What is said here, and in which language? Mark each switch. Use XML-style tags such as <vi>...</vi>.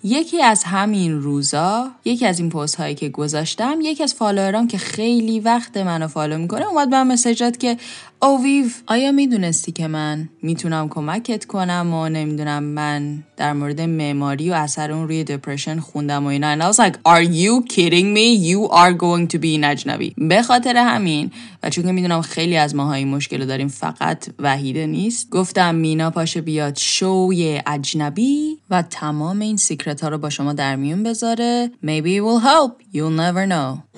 <fa>یکی از همین روزا، یکی از این پست هایی که گذاشتم، یکی از فالوورام که خیلی وقت منو فالو میکنه اومد به من مسیج داد که اویو آیا میدونستی که من میتونم کمکت کنم و نمیدونم من در مورد معماری و اثر اون روی دپرشن خوندم و اینا.</fa> <en>And I was like are you kidding me, you are going to be نجنبی.</en> <fa>به خاطر همین و چون که میدونم خیلی از ماها این مشکل رو داریم، فقط وحیده نیست، گفتم مینا پاشه بیاد شوی اجنبی و تمام این سیکرت ها رو با شما در میون بذاره.</fa> <en>Maybe it will help, you'll never know.</en>